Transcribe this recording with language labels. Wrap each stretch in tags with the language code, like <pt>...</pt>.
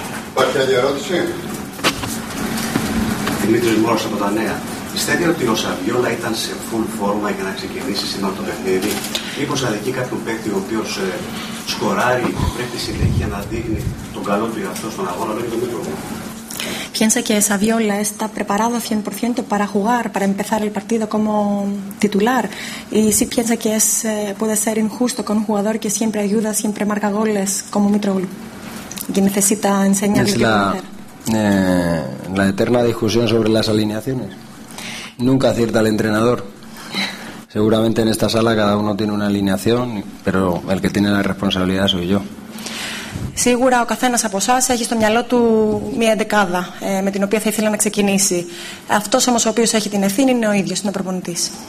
<el>Υπάρχει άλλη ερώτηση. Δημήτρης Μόρος από τα Νέα. Πιστεύει ότι ο Σαβιόλα ήταν σε full φόρμα για να ξεκινήσει σήμερα το παιχνίδι? Μήπως αδικεί κάποιον παίκτη ο οποίος σκοράρει και πρέπει συνέχεια να δείχνει τον καλό του εαυτό στον αγώνα? Λέει το μήκρο.</el> <es>Piensa que Saviola está preparado 100% para jugar, para empezar el partido como titular. Y sí piensa que es, puede ser injusto con un jugador que siempre ayuda, siempre marca goles como Mitrovic. Que necesita enseñarle. Es la eterna discusión sobre las alineaciones. Nunca acierta el entrenador. Seguramente en esta sala cada uno tiene una alineación, pero el que tiene la responsabilidad soy yo.</es> <el>Σίγουρα ο καθένας από εσάς έχει στο μυαλό του μια εντεκάδα με την οποία θα ήθελε να ξεκινήσει. Αυτός όμως ο οποίος έχει την ευθύνη είναι ο ίδιος, είναι ο προπονητής.</el>